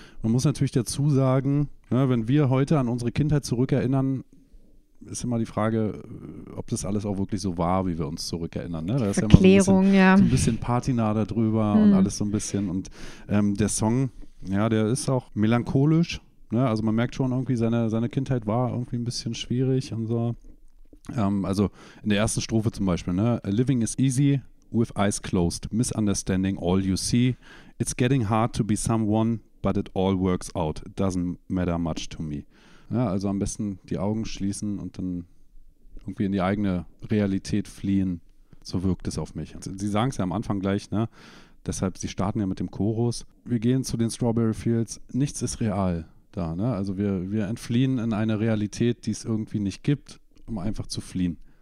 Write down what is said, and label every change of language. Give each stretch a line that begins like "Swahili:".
German: Man muss natürlich dazu sagen, ne, wenn wir heute an unsere Kindheit zurückerinnern, ist immer die Frage, ob das alles auch wirklich so war, wie wir uns zurückerinnern. Ne? Da ist Verklärung, ja. So ein bisschen Patina darüber und alles so ein bisschen. Und der Song, ja, der ist auch melancholisch. Ne? Also man merkt schon irgendwie, seine Kindheit war irgendwie ein bisschen schwierig und so. Also in der ersten Strophe zum Beispiel, ne?
English: A living is easy with eyes closed, misunderstanding all you see. It's getting hard to be someone, but it all works out. It doesn't matter much to me.
German: Ja, also am besten die Augen schließen und dann irgendwie in die eigene Realität fliehen. So wirkt es auf mich. Sie sagen es ja am Anfang gleich, ne? Deshalb, sie starten ja mit dem Chorus. Wir gehen zu den Strawberry Fields. Nichts ist real da, ne? Also wir entfliehen in eine Realität, die es irgendwie nicht gibt, um einfach zu fliehen.